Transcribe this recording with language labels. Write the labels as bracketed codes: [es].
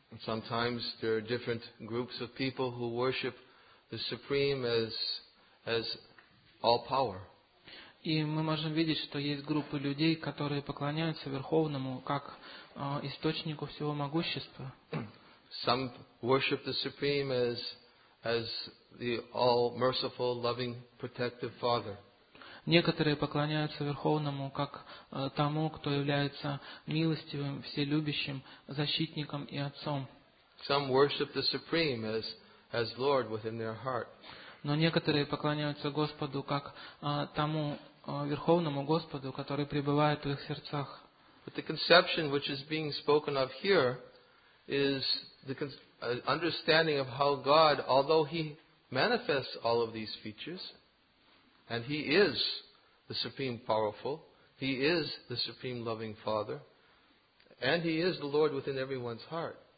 [en] Sometimes there are different groups of people who worship the Supreme as all power. [ru] И мы можем видеть, что есть группы людей, которые поклоняются Верховному как источнику всего могущества. [en] Some worship the Supreme as the all-merciful, loving, protective Father. [ru] Некоторые поклоняются Верховному как тому, кто является милостивым, вселюбящим, защитником и отцом. [en] Some worship the Supreme as Lord within their heart. [ru] Но некоторые поклоняются Господу как тому Верховному Господу, который пребывает в их сердцах. [en] But the conception which is being spoken of here is the understanding of how God, although He manifests all of these features, and He is the Supreme Powerful, He is the Supreme Loving Father, and He is the Lord within everyone's heart.